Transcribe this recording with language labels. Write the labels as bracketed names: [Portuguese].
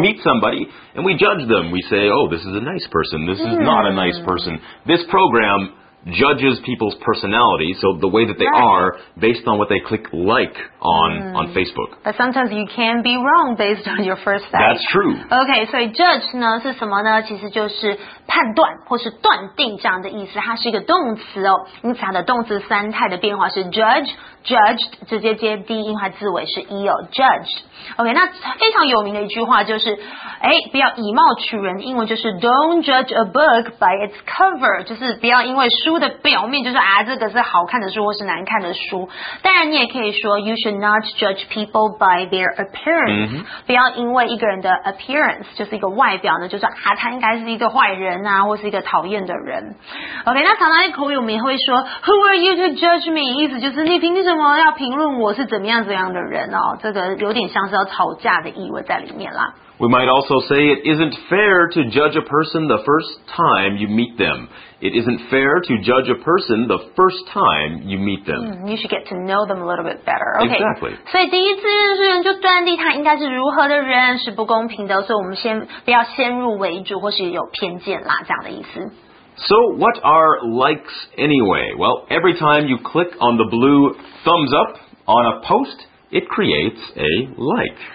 [English] meet somebody and we judge them. We say, oh, this is a nice person. This is not a nice person. This program judges people's personality, so the way that they are, based on what they click like on Facebook. But sometimes you can be wrong based on your first sight. That's true. Okay, so [Chinese] judge 呢是什么呢？其实就是判断或是断定这样的意思。它是一个动词哦，因此它的动词三态的变化是 judge, judged, 直接接 D, 因为它字尾是 E 哦 judged. Okay, 那非常有名的一句话就是，哎，不要以貌取人，英文就是 [English] don't judge a book by its cover, [Chinese] 就是不要因为书的表面就是啊，这个是好看的书或是难看的书。当然你也可以说 [English] you should not judge people by their appearance、 [Chinese] 不要因为一个人的 appearance 就是一个外表呢，就是啊，他应该是一个坏人啊，或是一个讨厌的人。 OK, 那常常在口语我们也会说 [English] who are you to judge me, [Chinese] 意思就是你凭什么要评论我是怎么样怎样的人哦，这个有点像是要吵架的意味在里面啦。 [English] We might also say it isn't fair to judge a person the first time you meet them. It isn't fair to judge a person the first time you meet them. You should get to know them a little bit better. Okay. Exactly. [Chinese] 所以第一次认识人就断定他应该是如何的人是不公平的，所以我们先不要先入为主或是有偏见啦，这样的意思。 [English] So what are likes anyway? Well, every time you click on the blue thumbs up on a post,It creates a like.